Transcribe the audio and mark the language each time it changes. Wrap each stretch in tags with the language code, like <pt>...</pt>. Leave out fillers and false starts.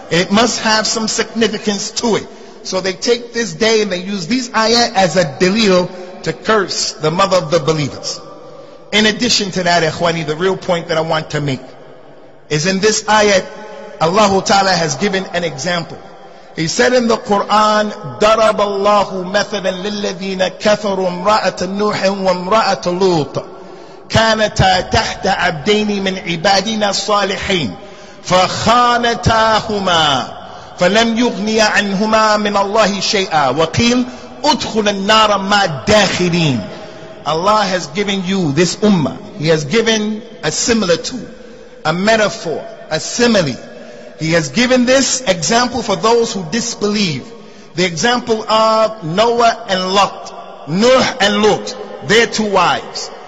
<en>It must have some significance to it. So they take this day and they use these ayah as a dalil to curse the mother of the believers. In addition to that, Ikhwani, the real point that I want to make is in this ayat, Allah Ta'ala has given an example.</en> <ar>He said in the Quran, ضرب الله مثلا للذين كفروا امرأة نوح وامرأة لوط كانتا تحت عبدين من عبادنا الصالحين فخانتاهما فلم يغني عنهما من الله شيئا وقيل ادخل النار مع الداخلين.</ar> <en>Allah has given you this ummah. He has given a similitude, a metaphor, a simile. He has given this example for those who disbelieve. The example of Noah and Lot, Nuh and Lot, their two wives.</en>